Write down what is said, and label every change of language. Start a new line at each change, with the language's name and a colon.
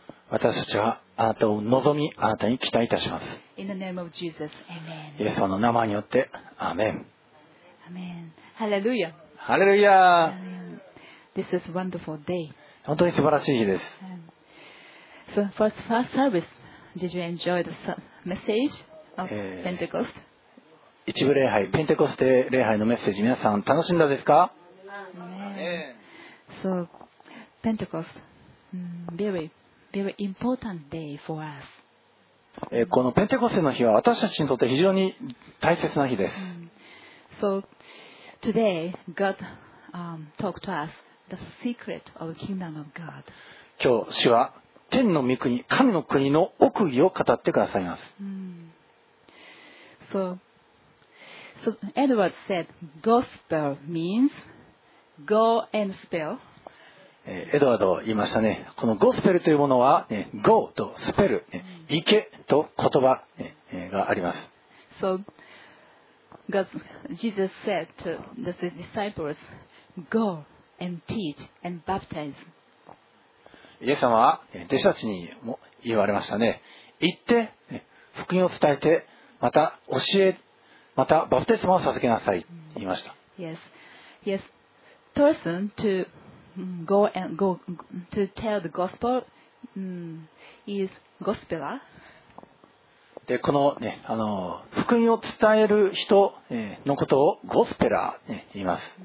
Japanese: 私たちはあなたを望み、あなたに期待いたします。
English: In the name of Jesus, amen.
Japanese: イエス様の名前によって、アーメン。アーメン。ハレルヤ。ハレルヤ。
English: This is wonderful day.
Japanese: 本当に素晴らしい日です。
English: So first service, did you enjoy the message of Pentecost?
Japanese: 一部礼拝、ペンテコステ礼拝のメッセージ、皆さん楽しんだですか？アーメン。
English: So Pentecost, very important day for us.
Japanese: このペンテコステの日は私たちにとって非常に大切な日です。
English: So today God talked to us the secret of the kingdom of God.
Japanese: 今日主は天の御国、神の国の奥義を語ってくださいます。
English: So Edward said, "Gospel means go and spell."
Japanese: エドワード言いましたね。このゴスペルというものは、ね、Go とスペル、ね、行けと言葉、ね、があります。
English: So, Jesus said to the disciples, Go and teach and baptize.
Japanese: イエス様は弟子たちにも言われましたね。行って、福音を伝えて、また教え、またバプテスマを授けなさい、言いました。
English: Yes. Yes. Person toGo and go to tell the gospel is gospeler.
Japanese: でこのね福音を伝える人のことをゴスペラーね言います。